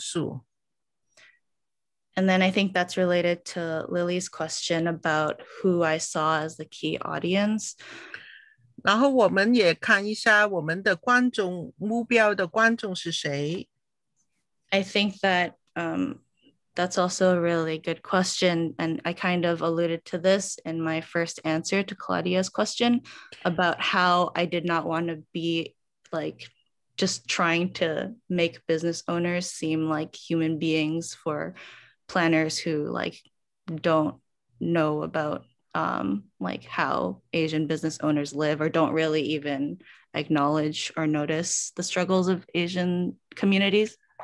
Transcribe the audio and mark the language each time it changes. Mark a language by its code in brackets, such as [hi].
[zh] 然后做好的这些影片之后，怎么样来跟什么观众来展示，这些怎么样推广，这些也是一个因素。 [en] And then I think that's related to Lily's question about who I saw as the key audience. [zh] 然后我们也看一下我们的观众，目标的观众是谁。 [en] I think that... That's also a really good question. And I kind of alluded to this in my first answer to Claudia's question about how I did not want to be like just trying to make business owners seem like human beings for planners who like don't know about like how Asian business owners live or don't really even acknowledge or notice the struggles of Asian communities.